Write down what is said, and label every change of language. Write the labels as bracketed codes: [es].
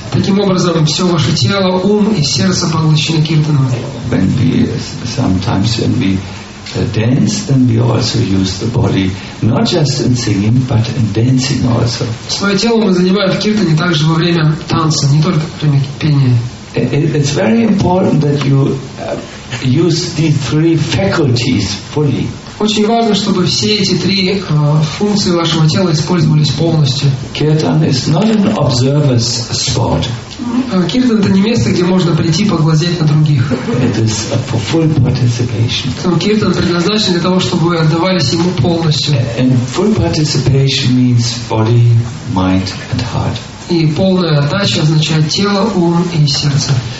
[ru] Таким образом, все ваше тело, ум и сердце поглощены киртаном. [en] When we sometimes when we dance, then we also use the body, not just in singing, but in dancing also. [ru] Свое тело мы занимаем в киртане также во время танца, не только во время пения. [en] It's very important that you use these three faculties fully. [ru] Очень важно, чтобы все эти три функции вашего тела использовались полностью. [en] Kirtan is not an observer's sport. [ru] Kirtan — это не место, где можно прийти поглазеть на других. [en] It is for full participation. [ru] Kirtan предназначен для того, чтобы вы отдавались ему полностью. [en] And full participation means body, mind, and heart. [ru] И полная отдача означает тело, ум и сердце.